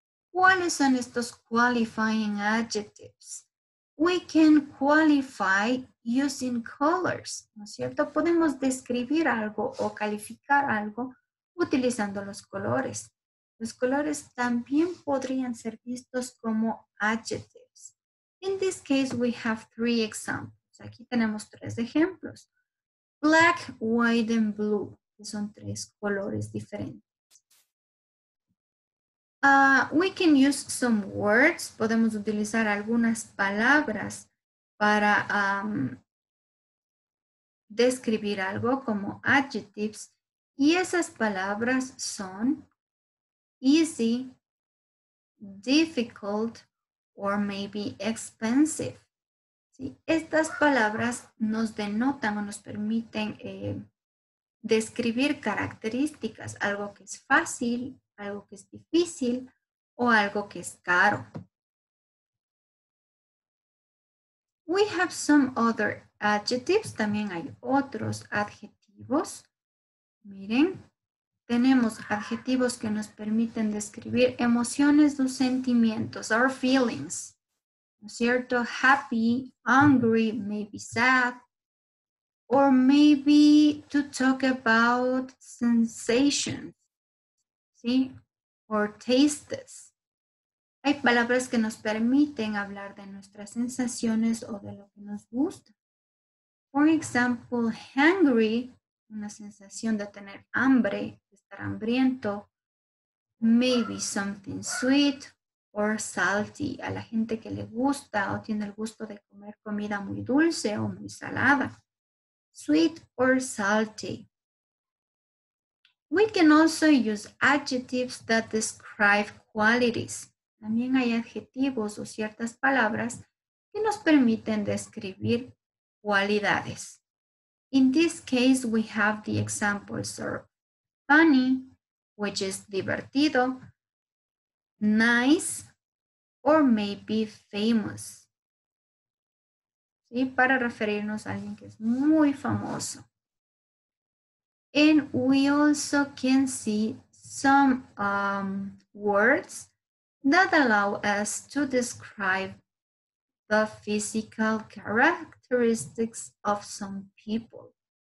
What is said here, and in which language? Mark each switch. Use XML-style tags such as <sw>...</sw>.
<es>¿Cuáles son estos</es> <en>qualifying adjectives? We can qualify using colors,</en> <es>¿no es cierto? Podemos describir algo o calificar algo utilizando los colores. Los colores también podrían ser vistos como adjectives.</es> <en>In this case, we have three examples.</en> <es>Aquí tenemos tres ejemplos.</es> <en>Black, white, and blue,</en> <es>que son tres colores diferentes.</es> <en>We can use some words,</en> <es>podemos utilizar algunas palabras para describir algo como adjectives. Y esas palabras son</es> <en>easy, difficult, or maybe expensive.</en> <es>¿Sí? Estas palabras nos denotan o nos permiten describir características, algo que es fácil, algo que es difícil o algo que es caro.</es> <en>We have some other adjectives.</en> <es>También hay otros adjetivos. Miren, tenemos adjetivos que nos permiten describir emociones o sentimientos,</es> <en>our feelings.</en> <es>¿No es cierto?</es> <en>Happy, angry, maybe sad. Or maybe to talk about sensations.</en> <es>¿sí?</es> <en>Or tastes.</en> <es>Hay palabras que nos permiten hablar de nuestras sensaciones o de lo que nos gusta.</es> <en>For example, hungry,</en> <es>una sensación de tener hambre, de estar hambriento.</es> <en>Maybe something sweet or salty,</en> <es>a la gente que le gusta o tiene el gusto de comer comida muy dulce o muy salada.</es> <en>Sweet or salty. We can also use adjectives that describe qualities.</en> <es>También hay adjetivos o ciertas palabras que nos permiten describir cualidades.</es> <en>In this case, we have the examples of funny, which is divertido, nice, or maybe famous.</en> <es>¿Sí? Para referirnos a alguien que es muy famoso.</es> <en>And we also can see some words that allow us to describe the physical characteristics of some people.</en>